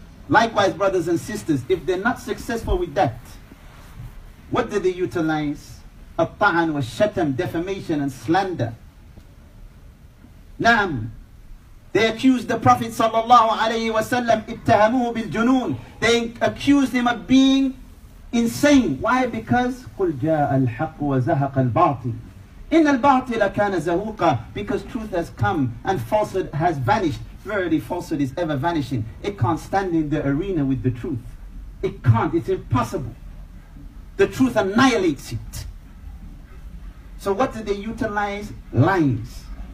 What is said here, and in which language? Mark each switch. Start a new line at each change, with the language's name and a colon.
English: Likewise, brothers and sisters, if they're not successful with that, what do they utilize?
Arabic: Al-ta'an wa shatam,
English: defamation and slander. Naam, they accused the Prophet sallallahu alayhi wa sallam,
Arabic: ittahamuhu bil junoon.
English: They accused him of being insane. Why? Because,
Arabic: قُلْ جَاءَ الْحَقُّ وَزَهَقَ الْبَاطِلِ. In al-batil kana zahuqa,
English: because truth has come and falsehood has vanished. Verily, falsehood is ever vanishing. It can't stand in the arena with the truth. It can't. It's impossible. The truth annihilates it. So what did they utilize? Lies.